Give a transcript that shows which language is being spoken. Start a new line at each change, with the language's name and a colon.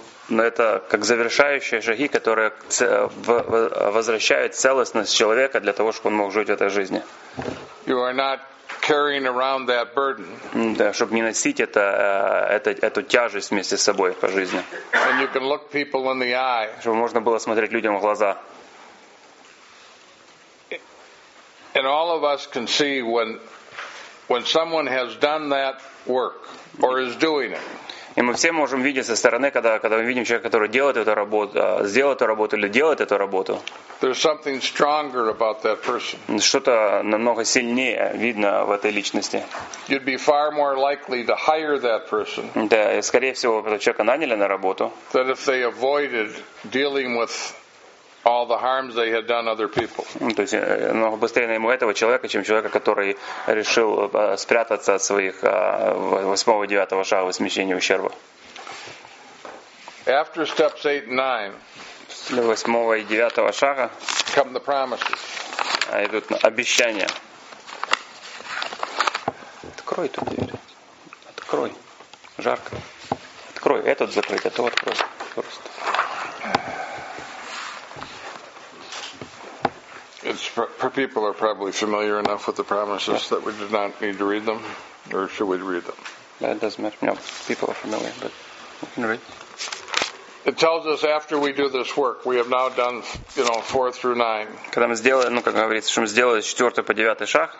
Russian: Но это как завершающие шаги, которые возвращают целостность человека для того, чтобы он мог жить этой жизнью.
English: You are not carrying around that burden.
Russian: Да, чтобы не носить эту тяжесть вместе с собой по жизни.
English: And you can look people in the eye.
Russian: Чтобы можно было смотреть людям в глаза.
English: And all of us can see when someone has done that work or is doing it.
Russian: И мы все можем видеть со стороны, когда мы видим человека, который делает эту работу, сделал эту работу или делает эту работу.
English: There's something stronger about that person.
Russian: Что-то намного сильнее видно в этой личности.
English: You'd be far more likely to hire that person.
Russian: Да, и скорее всего, этого человека наняли на работу.
English: Than if they avoided dealing with all the harms they had done other people.
Russian: То есть намного быстрее найму этого человека, чем человека, который решил спрятаться от своих восьмого и девятого шага в смещении ущерба.
English: After steps 8 and 9.
Russian: После восьмого и девятого шага.
English: Come the promises.
Russian: Идут обещания. Открой эту дверь. Открой. Жарко. Открой. Этот закрыть, а то открой. Просто.
English: People are probably familiar enough with the promises that we do not need to read them, or should we read them? That doesn't matter. No, people are familiar, but we can read. It tells us after we do this work, we have now done, you know, 4 through 9.
Russian: Когда мы сделали, ну как говорится, что мы сделали 4 по 9 шаг.